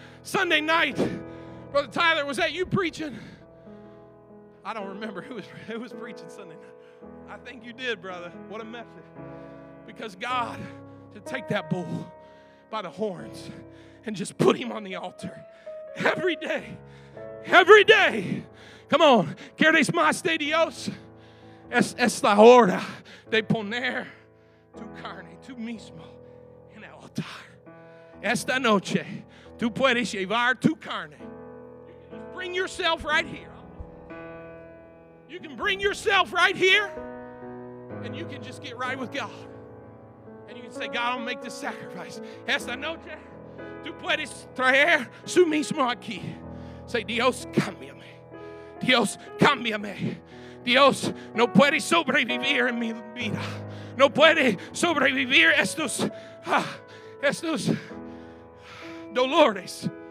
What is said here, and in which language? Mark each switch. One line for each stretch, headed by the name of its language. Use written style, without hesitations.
English: Sunday night, Brother Tyler, was that you preaching? I don't remember who was preaching Sunday night. I think you did, brother. What a message. Because God to take that bull by the horns and just put him on the altar every day. Every day. Come on.
Spanish: ¿Quieres más de Dios? Es la hora de poner tu carne, tu mismo en el altar. Esta noche, tú puedes llevar tu carne.
English: You can just bring yourself right here. You can bring yourself right here, and you can just get right with God. And you can say, God, I'll make this sacrifice.
Spanish: Esta noche, tú puedes traer su mismo aquí. Say, Dios, cámbiame. Dios, cámbiame. Dios, no puede sobrevivir en mi vida. No puede sobrevivir estos dolores.